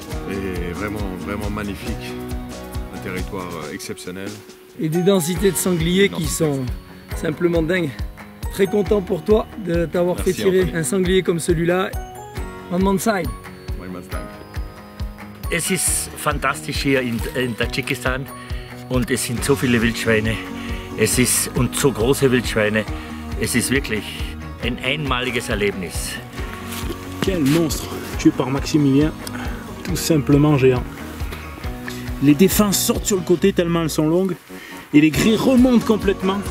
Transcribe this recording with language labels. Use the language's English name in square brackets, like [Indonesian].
[French] Et vraiment, vraiment magnifique. Un territoire exceptionnel. Et des densités de sangliers qui sont simplement dingues. Très content pour toi de t'avoir Merci fait tirer un sanglier comme celui-là. One man's time. One man's time. [German] Es ist fantastisch hier in Tadschikistan und es sind so viele Wildschweine. Es ist und so große Wildschweine. Es ist wirklich ein einmaliges Erlebnis. [French] Quel monstre tué par Maximilien, tout simplement géant. Les défenses sortent sur le côté tellement elles sont longues et les grilles remontent complètement.